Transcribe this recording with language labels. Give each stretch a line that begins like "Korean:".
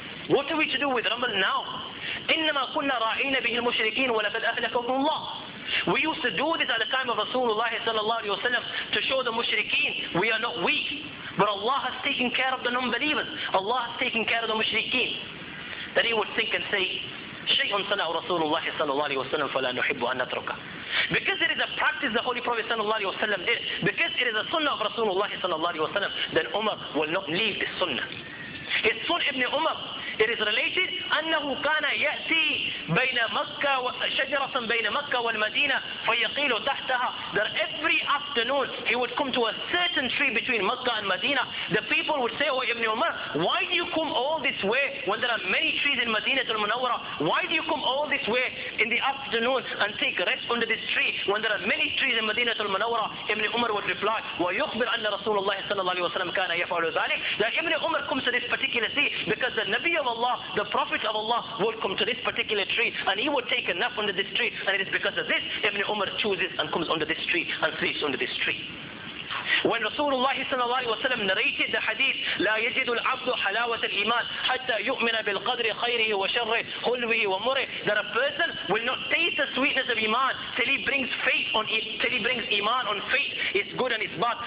English: What are we to do with Ramad now?
Arabic: إِنَّمَا كُنَّا رَاعِينَ بِهِ الْمُشْرِكِينَ وَلَقَدْ أَهْلَكَهُمُ اللَّهُ.
English: We used to do this at the time of Rasulullah sallallahu alaihi wasallam to show the mushrikeen we are not weak. But Allah has taken care of the non-believers. Allah has taken care of the mushrikeen. Then he would think and say,
Arabic: شَيْءٌ صَنَعُ رَسُولُ اللَّهِ صَلَى اللَّهِ وَسَلَمْ فَلَا نُحِبُّ أَنْ نَتْرُكَ.
English: Because it is a practice the Holy Prophet
Arabic: صلى الله عليه وسلم
English: did, because it is a sunnah of Rasulullah صلى الله عليه وسلم, then Umar will not leave this sunnah. His son Ibn Umar, it is related,
Arabic: أنه كان يأتي بين مكة شجرة بين مكة والمدينة فيقيل تحتها.
English: That every afternoon he would come to a certain tree between Makkah and Medina. The people would say, Ibn Umar, why do you come all this way when there are many trees in Medina al-Munawwara? Why do you come all this way in the afternoon and take rest under this tree when there are many trees in Medina al-Munawwara? Ibn Umar would reply,
Arabic: ويخبر أن رسول الله صلى الله عليه وسلم كان يفعل ذلك.
English: That Ibn Umar comes to this particular tree because the Nabi of Allah, the Prophet of Allah, would come to this particular tree and he would take a nap under this tree, and it is because of this Ibn Umar chooses and comes under this tree and sleeps under this tree. When Rasulullah sallallahu alayhi wa sallam narrated the hadith,
Arabic: لا يجد العبد حلاوة الإيمان حتى يؤمن بالقدر خيره وشره حلوه ومره,
English: that a person will not taste the sweetness of iman till he brings faith on it, till he brings iman on faith, it's good and it's bad.